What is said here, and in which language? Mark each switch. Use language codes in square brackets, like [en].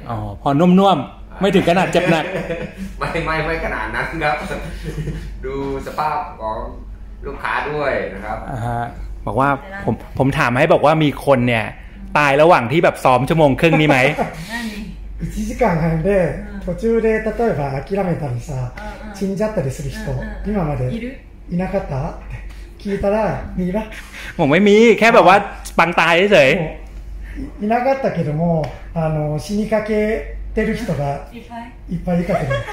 [th] อ๋อพอนุ่มๆไม่ถึงขนาดเจ็บหนัก ไม่ขนาดนั้นครับดูสภาพของลูกค้าด้วยนะครับ บอกว่าผมถามให้บอกว่ามีคนเนี่ยตายระหว่างที่แบบซ้อมชั่วโมงครึ่งนี้ไหม [ja] 1時間半で途中で例えば諦めたりさ死んじゃったりする人今までいなかったって聞いたら [th] มีป่ะ ผมไม่มีแค่แบบว่าปังตายเฉย [ja] いなかったけども死にかけてる人がいっぱいいるかと